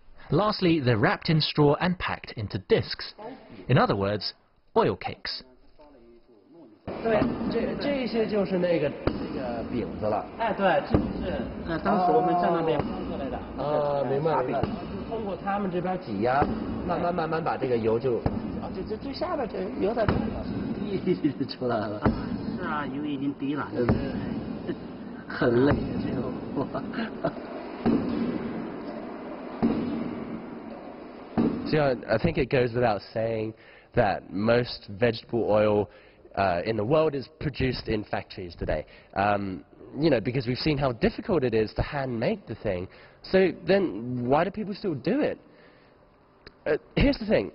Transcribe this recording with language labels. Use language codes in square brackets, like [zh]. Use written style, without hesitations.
[en] Lastly, they're wrapped in straw and packed into discs. In other words, oil cakes. [zh] 对，这些就是那个饼子了。哎，对，这就是当时我们在那边烘出来的。明白明白。通过他们这边挤压，慢慢把这个油就，最下边这油才溢出来了。是啊，油已经滴了，很累，这个活。 [en] You know, I think it goes without saying that most vegetable oil in the world is produced in factories today. You know, because we've seen how difficult it is to hand-make the thing. So then why do people still do it? Here's the thing.